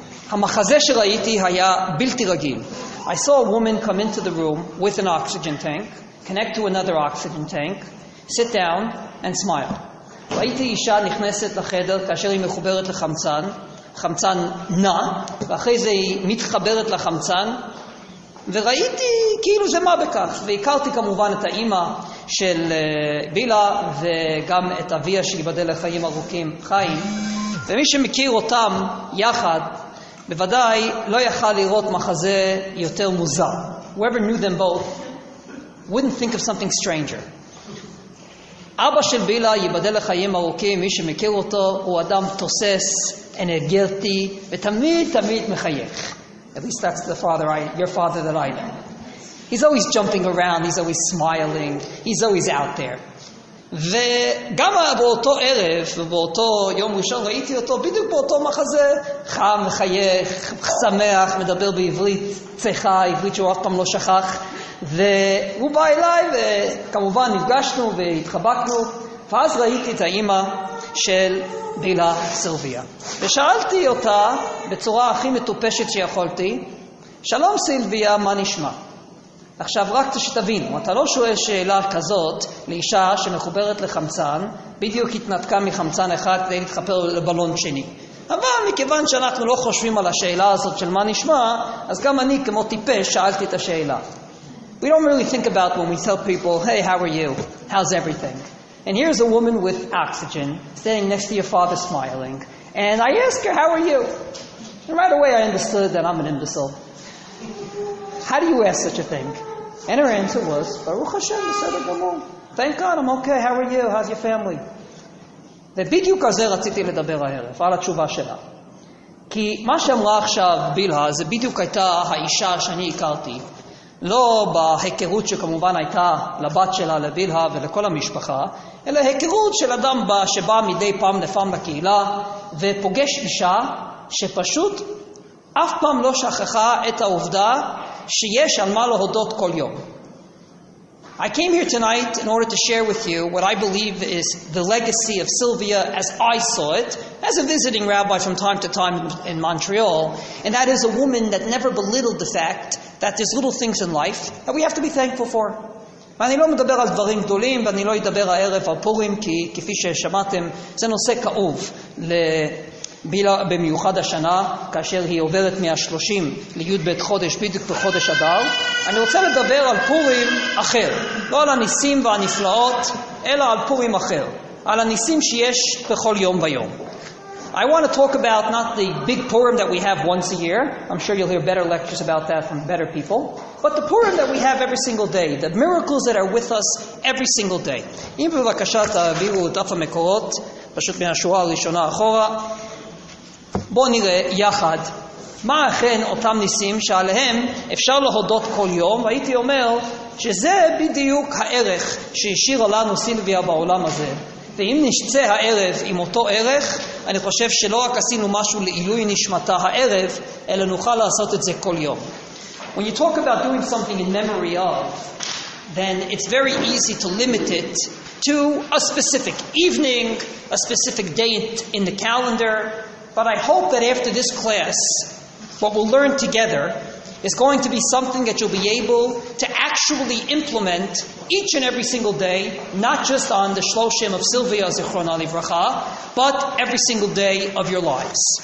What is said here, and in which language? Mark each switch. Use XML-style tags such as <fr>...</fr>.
<he>המחזה שראיתי היה בלתי רגיל.</he> <en>I saw a woman come into the room with an oxygen tank, connect to another oxygen tank, sit down, and smile.</en> <he>ראיתי אישה נכנסת לחדר כאשר היא מחוברת לחמצן, חמצן נע, ואחרי זה היא מתחברת לחמצן, וראיתי כאילו זה מה בכך. והכרתי כמובן את האימא של בילה, וגם את אביה שיבדל לחיים ארוכים, חיים. ומי שמכיר אותם יחד, בוודאי לא יכל לראות מחזה יותר מוזר.</he> <en>Whoever knew them both wouldn't think of something stranger.</en> <he>אבא של בילה ייבדל לחיים ארוכים, מי שמכיר אותו, הוא אדם תוסס, אנרגטי, ותמיד תמיד מחייך.</he> <en>At least that's the father your father that I know. He's always jumping around, he's always smiling, he's always out there.</en> <he>וגם באותו ערב ובאותו יום ראשון ראיתי אותו בדיוק באותו מחזה, חם, מחייך, שמח, מדבר בעברית צחה, עברית שהוא אף פעם לא שכח. והוא בא אליי וכמובן נפגשנו והתחבקנו, ואז ראיתי את האימא של בילה, סילביה, ושאלתי אותה בצורה הכי מטופשת שיכולתי, שלום סילביה, מה נשמע? עכשיו רק שתבין, אתה לא שואל שאלה כזאת לאישה שמחוברת לחמצן, בדיוק התנתקה מחמצן אחד כדי להתחפר לבלון שני. אבל מכיוון שאנחנו לא חושבים על השאלה הזאת של מה נשמע, אז גם אני כמו טיפש שאלתי את השאלה.</he> <en>We don't really think about when we tell people, hey, how are you? How's everything? And here's a woman with oxygen, standing next to your father smiling. And I ask her, how are you? And right away I understood that I'm an imbecile. How do you ask such a thing? And her answer was, Baruch Hashem,</en> <he>בסדר גמור.</he> <en>Thank God, I'm okay, how are you? How's your family?</en> <he>ובדיוק הזה רציתי לדבר הערב, על התשובה שלה. כי מה שאמרה עכשיו בילה, זה בדיוק הייתה האישה שאני הכרתי. לא בהיכרות שכמובן הייתה לבת שלה, לבילה ולכל המשפחה, אלא היכרות של אדם שבא מדי פעם לפעם לקהילה, ופוגש אישה שפשוט אף פעם לא שכחה את העובדה שיש על מה להודות כל יום.</he> <en>I came here tonight in order to share with you what I believe is the legacy of Sylvia as I saw it, as a visiting rabbi from time to time in Montreal, and that is a woman that never belittled the fact that there's little things in life that we have to be thankful for.</en> <he>ואני לא מדבר על דברים גדולים, ואני לא אדבר הערב על פורים, כי כפי ששמעתם, זה נושא כאוב בילה במיוחד השנה, כאשר היא עוברת מה-30 ליוד בית חודש, בדיוק בחודש אדר. אני רוצה לדבר על פורים אחר. לא על הניסים והנפלאות, אלא על פורים אחר. על הניסים שיש בכל יום ויום.</he> <en>I want to talk about not the big Purim that we have once a year. I'm sure you'll hear better lectures about that from better people. But the Purim that we have every single day. The miracles that are with us every single day.</en> <he>אם בבקשה תעבירו את דף המקורות, פשוט מהשורה הראשונה אחורה, בואו נראה יחד מה אכן אותם ניסים שעליהם אפשר להודות כל יום. הייתי אומר שזה בדיוק הערך שהשאירה לנו סילביה בעולם הזה. ואם נשצה הערב עם אותו ערך, אני חושב שלא רק עשינו משהו לעילוי נשמתה הערב, אלא נוכל לעשות את זה כל יום.</he> <en>When you talk about doing something in memory of, then it's very easy to limit it to a specific evening, a specific date in the calendar. But I hope that after this class, what we'll learn together is going to be something that you'll be able to actually implement each and every single day, not just on the Shloshim of Sylvia, Zichrona Livracha, but every single day of your lives.</en>